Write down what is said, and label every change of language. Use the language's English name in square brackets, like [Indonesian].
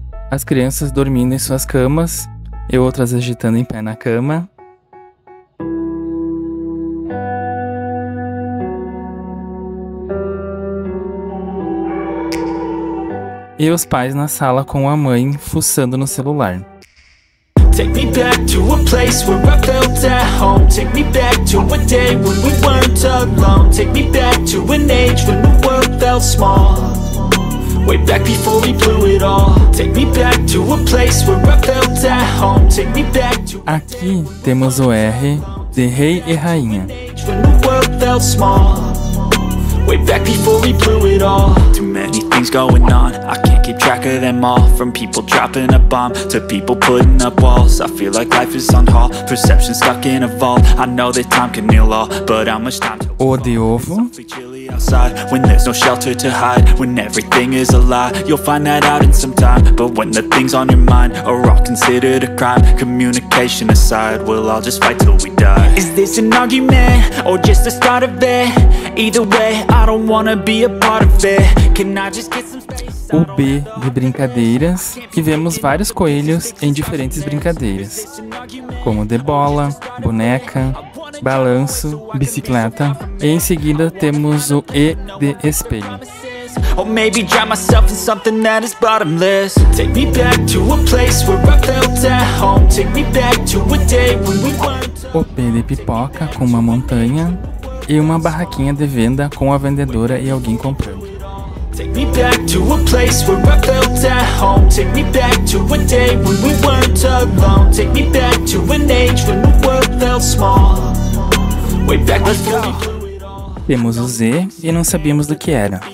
[Portuguese] As crianças dormindo em suas camas e outras agitando em pé na cama. E os pais na sala com a mãe fuçando no celular. [English] Take me back to a place where I felt at home. Take me back to a day when we weren't alone. Take me back to an age when the world felt small. Way back before we blew it all. Take me back to a place where I felt at home. Take me back to. [Portuguese] Aqui temos o R de rei e rainha. [English] When the world felt small. Way back before we blew it all. Too many things going on. I can't keep track of them all. From people dropping a bomb to people putting up walls. I feel like life is on hold. Perception stuck in a vault. I know that time can heal all, but how much time to hold? [Portuguese] O de ovo. [English] When there's no shelter to hide, when everything is a lie, you'll find that out in some time. But when the things on your mind are all considered a crime, communication aside, we'll all just fight till we die. Is this an argument or just the start of it? Either way, I don't wanna be a part of it. Can I just get some space? [Portuguese] O B de brincadeiras, que vemos vários coelhos em diferentes brincadeiras, como de bola, boneca, balanço, bicicleta. E em seguida temos o E de espelho. [English] Or maybe drive myself in something that is bottomless. Take me back to a place where I felt at home. Take me back to a day when we weren't. [Portuguese] O P de pipoca com uma montanha e uma barraquinha de venda com a vendedora e alguém comprando. [English] Take me back to a place where I felt at home. Take me back to a day when we weren't alone. Take me back to an age when the world felt small. Way back before. [Portuguese] Temos o Z e não sabíamos do que era.